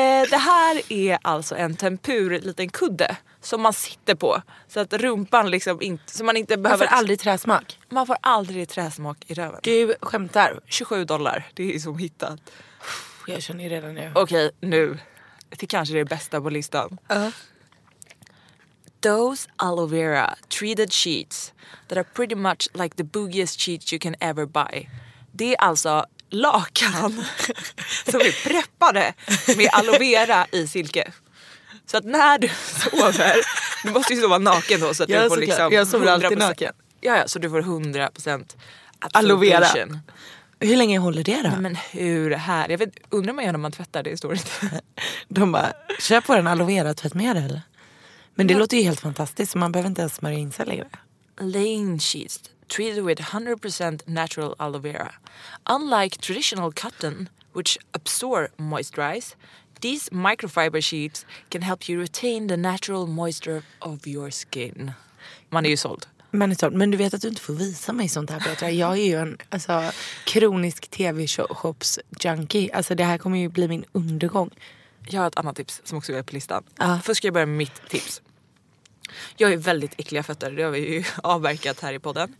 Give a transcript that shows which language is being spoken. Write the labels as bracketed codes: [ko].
[sv] Det här är alltså en tempur liten kudde som man sitter på så att rumpan liksom inte, så man inte behöver, man får aldrig träsmak. Man får aldrig träsmak i röven. Du skämtar. $27. Det är som hittat. Jag känner redan nu. Okej, nu. Det kanske är det bästa på listan. [en] Those aloe vera treated sheets that are pretty much like the boogiest sheets you can ever buy. [sv] Det är alltså lakan som är preppade med aloe vera i silke. Så att när du sover, du måste ju sova naken då. Så att jag, du får liksom jag sover alltid naken. Ja, så du får 100% aloe vera. Hur länge håller det då? Men hur här? Jag vet, undrar man ju när man tvättar det i stort. De bara, köp på en aloe vera tvätt med det. Men det låter ju helt fantastiskt, så man behöver inte ens smörja in sig längre. [en] Lane sheets, treated with 100% natural aloe vera. Unlike traditional cotton, which absorb moisturize, these microfiber sheets can help you retain the natural moisture of your skin. [sv] Man är ju såld. Men du vet att du inte får visa mig sånt här, Petra. Jag är ju en alltså, kronisk tv-shops junkie. Alltså det här kommer ju bli min undergång. Jag har ett annat tips som också är på listan. Först ska jag börja med mitt tips. Jag har ju väldigt äckliga fötter. Det har vi ju avverkat här i podden.